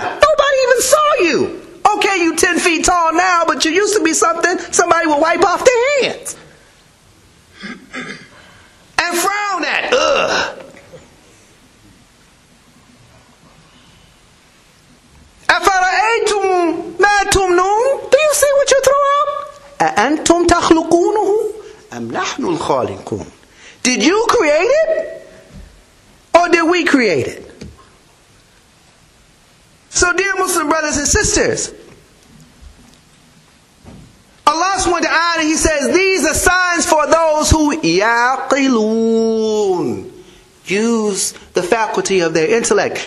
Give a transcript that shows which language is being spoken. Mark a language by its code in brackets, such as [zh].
[en] Nobody even saw you. Okay, you 10 feet tall now, but you used to be something somebody would wipe off their hands and frown at. Ugh. [ar] أَفَرَأَيْتُمْ مَا تُمْنُونَ, [en] do you see what you throw out? [ar] أَأَنْتُمْ تَخْلُقُونَهُ أَمْ نَحْنُ الْخَالِقُونَ, [en] did you create it? Or did we create it? So dear Muslim brothers and sisters, Allah subhanahu wa ta'ala, he says, these are signs for those who yaqilun, use the faculty of their intellect.